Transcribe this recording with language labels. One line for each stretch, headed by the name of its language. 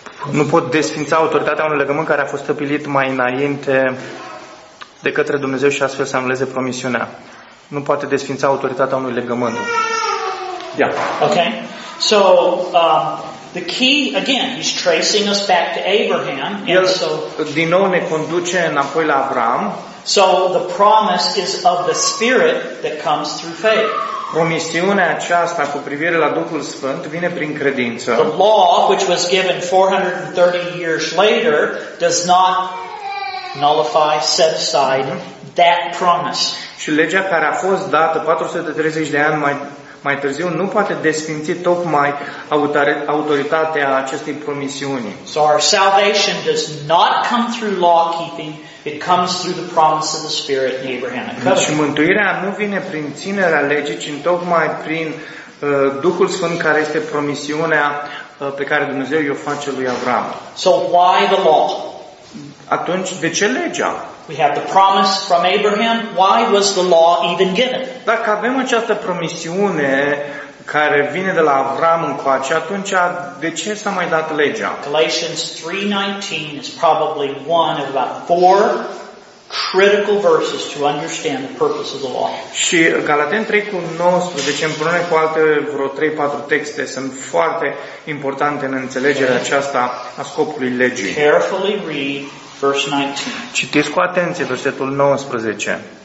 Romanian: Nu pot desfința autoritatea unui legământ care a fost stabilit mai înainte de către Dumnezeu și astfel să anuleze promisiunea. Nu poate desfința autoritatea unui legământ.
English: Yeah. Okay. So, the key again, he's tracing us back to Abraham.
Romanian: El,
English: and so
Romanian: din nou ne conduce înapoi la Avram.
English: So the promise is of the Spirit that comes through faith.
Romanian: Promisiunea aceasta cu privire la Duhul Sfânt vine prin credință.
English: The law which was given 430 years later does not nullify, set aside that promise.
Romanian: Și legea care a fost dată 430 de ani mai târziu nu poate desfinți tocmai autoritatea acestei promisiuni.
English: So our salvation does not come through law keeping. It comes through the promise of the Spirit in Abrahamic covenant.
Romanian: Și mântuirea nu vine prin ținerea legii, ci tocmai prin Duhul Sfânt, care este promisiunea pe care Dumnezeu i-o face lui Avram.
English: So why the law?
Romanian: Atunci, de ce legea?
English: We have the promise from Abraham. Why was the law even given?
Romanian: Dacă avem această promisiune care vine de la Avram încoace, atunci de ce s-a mai dat legea?
English: Galatians 3:19 is probably one of about four critical verses to understand the purpose of the law.
Romanian: Și Galaten 3:19, împreună cu alte vreo 3-4 texte, sunt foarte importante în înțelegerea aceasta a scopului legii.
English: Carefully read verse 19.
Romanian: Citiți cu atenție versetul 19.